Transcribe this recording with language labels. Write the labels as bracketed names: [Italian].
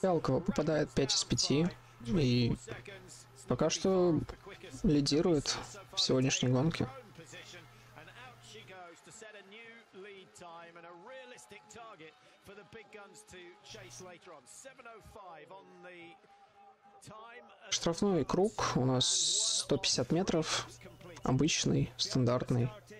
[Russian] Fialkova попадает 5 из 5 и пока что лидирует в сегодняшней гонке. [English] And out she goes to set a new lead time and a realistic target for the big guns to chase later on. [Russian] 705 [English] on the [Russian] штрафной круг у нас 150 метров, обычный, стандартный.